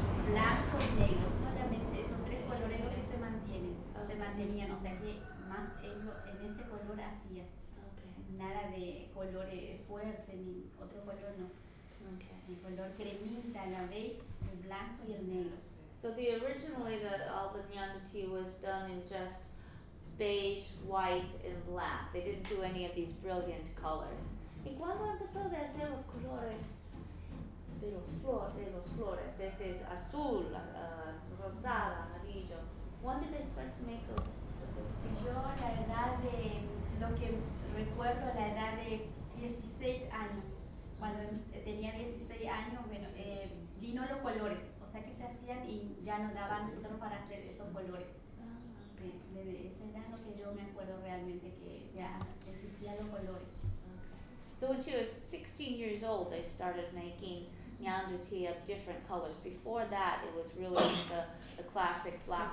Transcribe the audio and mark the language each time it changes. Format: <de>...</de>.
<es>blanco, negro, solamente esos tres colores lo que se mantienen, okay. Se mantenían, o sea que más ellos en ese color hacían,</es> <en>okay.</en> <es>Nada de colores fuertes ni otro color, no.</es> <en>Okay.</en> <es>El color cremita, la beige, el blanco y el negro.</es> <en>So the originally the all the Miyazaki was done in just beige, white, and black. They didn't do any of these brilliant colors.</en> <es>¿Y cuándo empezó a hacer los colores de los flores?</es> <en>This is</en> <es>azul, rosada, amarillo.</es> <en>When did they start to make those?</en> <es>Yo, la edad de, lo que recuerdo, la edad de 16 años. Cuando tenía 16 años, bueno, vino los colores. O sea que se hacían y ya nos daban nosotros para hacer esos colores. De esa edad lo que yo me acuerdo realmente que ya existían los colores.</es> <en>Okay. So when she was 16 years old, they started making Miyazaki of different colors. Before that, it was really the classic black,</en>